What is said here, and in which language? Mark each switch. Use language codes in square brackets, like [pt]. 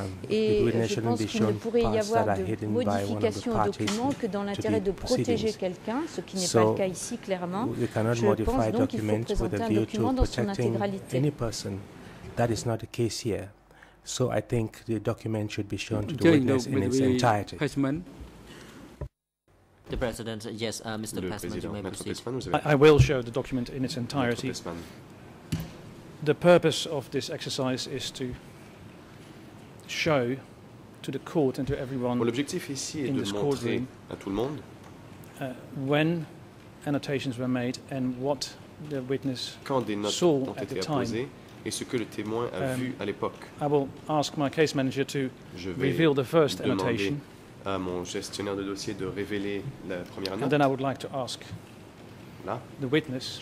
[fr] Et je pense qu'il ne pourrait y avoir de modification au document que dans l'intérêt de protéger quelqu'un, ce qui n'est pas le cas ici clairement. Je pense donc qu'il faut présenter un document dans son intégralité. [en] Any person, that is not the case here. So I think the document should be shown to the witness in its entirety. The President, yes, Mr. Pesman, you may proceed. I will show the document in its entirety. The purpose of this exercise is to show to the court and to everyone in this courtroom when annotations were made and what the witness saw at the time. [fr] Et ce que le témoin a vu à l'époque. [en] I will ask my case manager to reveal the first annotation. [fr] À mon gestionnaire de dossier de révéler la première note. [en] And then I would like to ask the witness.